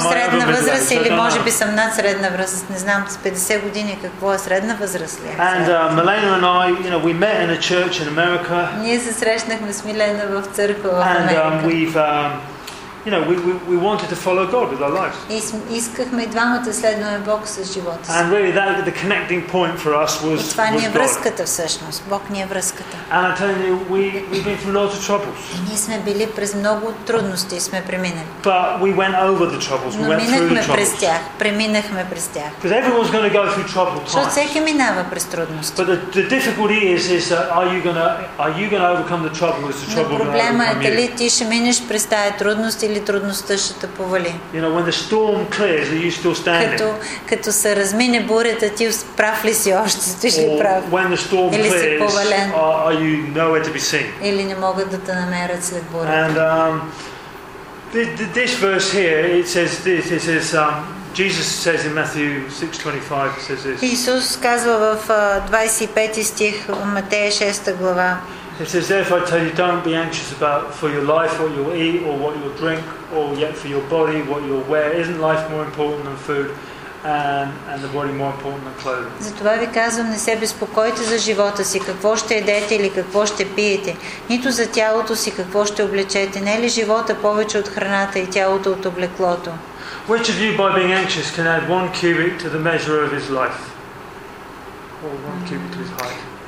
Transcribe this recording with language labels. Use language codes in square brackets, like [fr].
[bg] средна възраст или може би съм над средна възраст. Не знам с 50 години какво е средна възраст ли. [en] Милена and I, you know, we met in a church in America. [bg] Ние се срещнахме с Милена в църква в Америка. [en] And you know, we wanted to follow God with our lives. [bg] Искахме двамата следваме Бог с живота си. [en] And really that the connecting point for us was [bg] това ни е връзката всъщност. Бог ни е връзката. [en] And I tell you, we've been through lots of troubles. [bg] Ние сме били през много трудности и сме преминали. [en] But we went over the troubles. We went through the troubles. [bg] Преминахме през тях. [en] Because everyone's going to go through troubled times. [bg] Защото всеки минава през трудности. [en] But the difficulty is that are you going to overcome the trouble or is the trouble going to overcome you? [bg] Проблема е дали ти ще минеш през тази трудност или трудността ще те повали. [en] You know, when the storm clears, are you still standing? [bg] Като се размине бурята, ти прав ли си още, стоиш ли прав? [en] When the storm [bg] или [en] clears, [bg] си повален? [en] Are you nowhere to be seen? [bg] Или не могат да те намерят след бурята? [en] And this verse here, it says this. It says Jesus says in Matthew 6:25, says this. [bg] Исус казва в 25 стих в Матея 6 глава. [en] It says, therefore I tell you, don't be anxious about for your life, what you'll eat, or what you'll drink, or yet for your body, what you'll wear. Isn't life more important than food, and the body more important than clothing? [bg] Затова ви казвам, не се безпокойте за живота си, какво ще едете или какво ще пиете, нито за тялото си, какво ще облечете. Не е ли живота повече от храната и тялото от облеклото? [en] Which of you, by being anxious, can add one cubit to the measure of his life, or one cubit to his height?